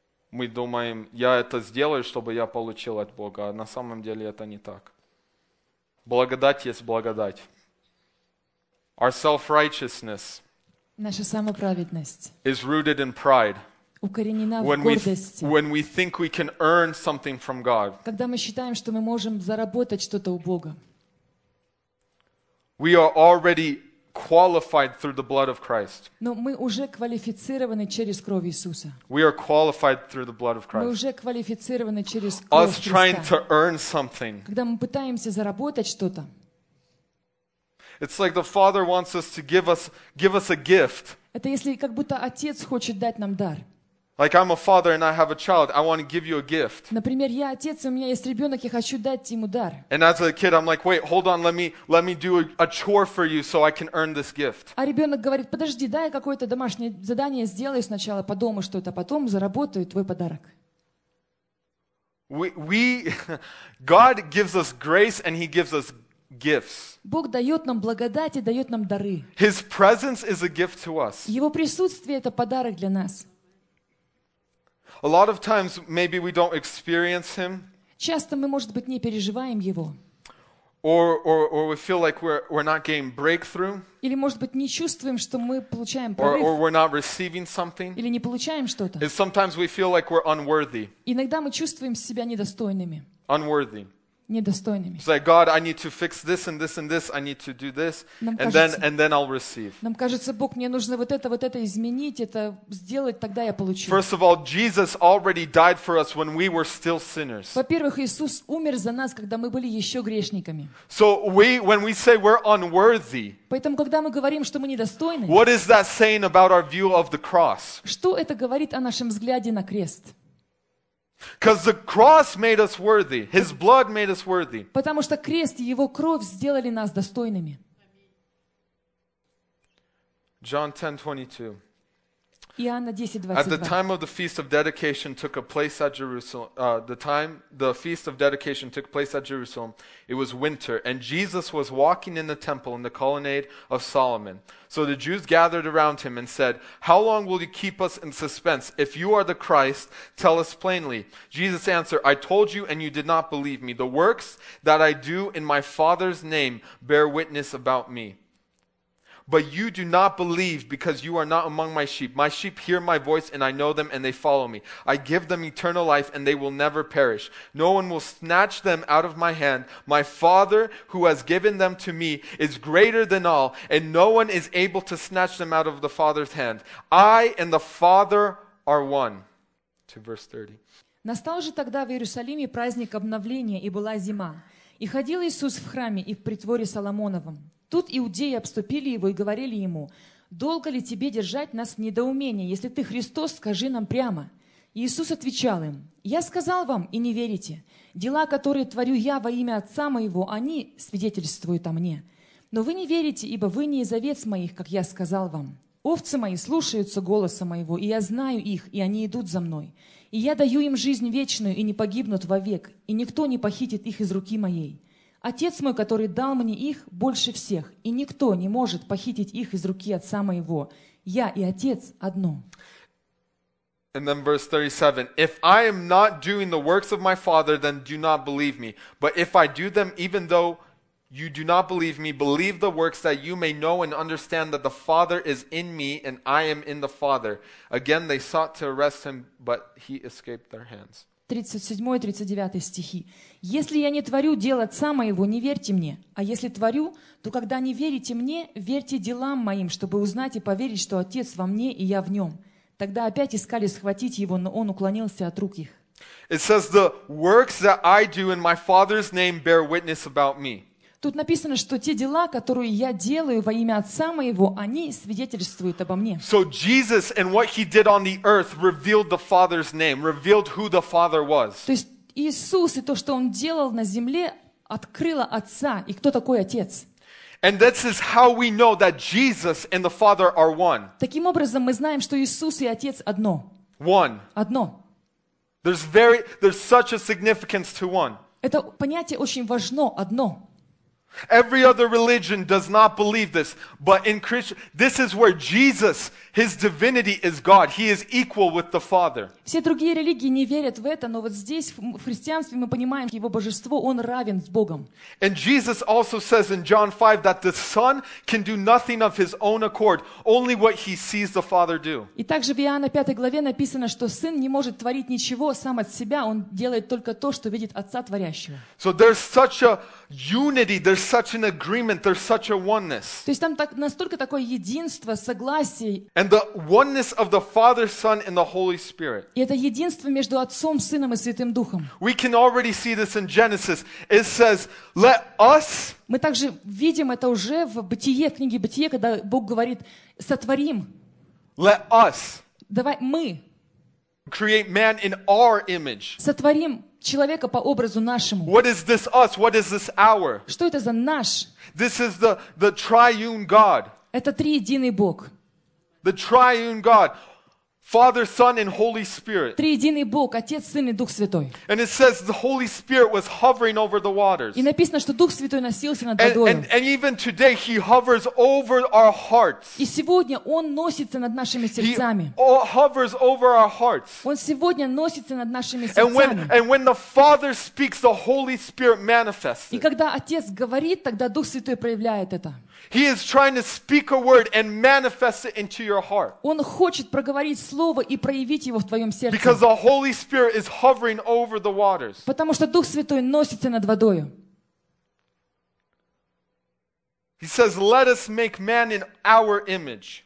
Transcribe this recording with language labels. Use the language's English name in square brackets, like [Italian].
[Russian] Мы думаем, я это сделаю, чтобы я получил от Бога, а на самом деле это не так. Благодать есть благодать. [English] Our self-righteousness [Russian] наша самоправедность [English] is rooted in pride. [Russian] Укоренена when в гордости. [English] When we think we can earn something from God. [Russian] Когда мы считаем, что мы можем заработать что-то у Бога. [English] We are already qualified through the blood of Christ. [Russian] Но мы уже квалифицированы через кровь Иисуса. [English] We are qualified through the blood of Christ. [Russian] Мы уже квалифицированы через кровь Христа. [English] Us trying to earn something. [Russian] Когда мы пытаемся заработать что-то. [English] It's like the Father wants us to give us a gift. [Russian] Это если как будто Отец хочет дать нам дар. [English] Like I'm a father and I have a child, I want to give you a gift. [Russian] Например, я отец, у меня есть ребенок, я хочу дать ему дар. [English] And as a kid, I'm like, wait, hold on, let me do a chore for you so I can earn this gift. [Russian] А ребенок говорит, подожди, дай я какое-то домашнее задание сделаю сначала по дому что-то, а потом заработаю твой подарок. [English] God gives us grace and He gives us gifts. [Russian] Бог дает нам благодать и дает нам дары. [English] His presence is a gift to us. [Russian] Его присутствие это подарок для нас. [English] A lot of times, maybe we don't experience Him. [Russian] Часто мы, может быть, не переживаем Его. [English] Or we feel like we're not getting breakthrough. [Russian] Или, может быть, не чувствуем, что мы получаем прорыв. [English] Or we're not receiving something. [Russian] Или не получаем что-то. [English] And sometimes we feel like we're unworthy. [Russian] Иногда мы чувствуем себя недостойными. [English] Unworthy. [Russian] Недостойными. [English] It's like, God, I need to fix this and this and this. I need to do this. And then I'll receive. [Russian] Нам кажется, Бог, мне нужно вот это изменить, это сделать, тогда я получу. [English] First of all, Jesus already died for us when we were still sinners. [Russian] Во-первых, Иисус умер за нас, когда мы были еще грешниками. [English] So when we say we're unworthy, [Russian] поэтому, когда мы говорим, что мы недостойны, [English] what is that saying about our view of the cross? [Russian] Что это говорит о нашем взгляде на крест? [English] Because the cross made us worthy. His blood made us worthy. [Russian] Потому что крест и его кровь сделали нас достойными. [English] John 10:22. [Russian] Иоанна 10:22. [English] At the time of the feast of dedication took a place at Jerusalem. The feast of dedication took place at Jerusalem. It was winter, and Jesus was walking in the temple in the colonnade of Solomon. So the Jews gathered around him and said, "How long will you keep us in suspense? If you are the Christ, tell us plainly." Jesus answered, "I told you, and you did not believe me. The works that I do in my Father's name bear witness about me. But you do not believe because you are not among my sheep. My sheep hear my voice and I know them and they follow me. I give them eternal life and they will never perish. No one will snatch them out of my hand. My Father who has given them to me is greater than all and no one is able to snatch them out of the Father's hand. I and the Father are one." To verse 30. [Russian] Настал же тогда в Иерусалиме праздник обновления и была зима. И ходил Иисус в храме и в притворе Соломоновом. Тут иудеи обступили его и говорили ему, «Долго ли тебе держать нас в недоумении? Если ты Христос, скажи нам прямо». Иисус отвечал им, «Я сказал вам, и не верите. Дела, которые творю я во имя Отца моего, они свидетельствуют о мне. Но вы не верите, ибо вы не из овец моих, как я сказал вам. Овцы мои слушаются голоса моего, и я знаю их, и они идут за мной. И я даю им жизнь вечную, и не погибнут вовек, и никто не похитит их из руки моей». Отец мой, который дал мне их, больше всех, и никто не может похитить их из руки Отца моего. Я и Отец одно. [English] And then verse 37. If I am not doing the works of my Father, then do not believe me. But if I do them, even though you do not believe me, believe the works that you may know and understand that the Father is in me and I am in the Father. Again, they sought to arrest him, but he escaped their hands. [Russian] 37-39 стихи. «Если я не творю дел Отца моего, не верьте мне. А если творю, то когда не верите мне, верьте делам моим, чтобы узнать и поверить, что Отец во мне и я в нем». Тогда опять искали схватить его, но он уклонился от рук их. [English] It says, the works that I do in my Father's name bear witness about me. [Russian] Тут написано, что те дела, которые я делаю во имя Отца моего, они свидетельствуют обо мне. [English] So Jesus and what he did on the earth revealed the Father's name, revealed who the Father was. [Russian] То есть Иисус и то, что он делал на земле, открыло Отца и кто такой Отец. [English] And this is how we know that Jesus and the Father are one. [Russian] Таким образом мы знаем, что Иисус и Отец одно. [English] One. [Russian] Одно. [English] There's such a significance to one. [Russian] Это понятие очень важно, одно. [English] Every other religion does not believe this, but in Christ, this is where Jesus, his divinity is God. He is equal with the Father. [Russian] Все другие религии не верят в это, но вот здесь в христианстве мы понимаем, его божество, он равен с Богом. [English] And Jesus also says in John 5 that the Son can do nothing of his own accord, only what he sees the Father do. [Russian] И также в Иоанна 5 главе написано, что Сын не может творить ничего сам от себя, он делает только то, что видит Отца творящего. [English] So there's such a unity, there's such an agreement, there's such a oneness. [Russian] То есть там так, настолько такое единство, согласие. [English] And the oneness of the Father, Son, and the Holy Spirit. [Russian] И это единство между Отцом, Сыном и Святым Духом. [English] We can already see this in Genesis. It says, "Let us." [Russian] Мы также видим это уже в Бытие, в книге Бытие, когда Бог говорит: "Сотворим." [English] Let us. [Russian] Давай мы. [English] Create man in our image. [Russian] Сотворим человека по образу нашему. [English] What is this us? What is this our? [Russian] Что это за наш? [English] This is the triune God. [Russian] Это триединый Бог. [English] The triune God, Father, Son, and Holy Spirit. [Russian] Триединый Бог, Отец, Сын и Дух Святой. [English] And it says the Holy Spirit was hovering over the waters. [Russian] И написано, что Дух Святой носился над водой. [English] And even today He hovers over our hearts. [Russian] И сегодня Он носится над нашими сердцами. [English] He hovers over our hearts. [Russian] Он сегодня носится над нашими сердцами. [English] And when the Father speaks, the Holy Spirit manifests. [Russian] И когда Отец говорит, тогда Дух Святой проявляет это. [English] He is trying to speak a word and manifest it into your heart. [Russian] Он хочет проговорить слово и проявить его в твоем сердце. [English] Because the Holy Spirit is hovering over the waters. [Russian] Потому что Дух Святой носится над водою. [English] He says, "Let us make man in our image."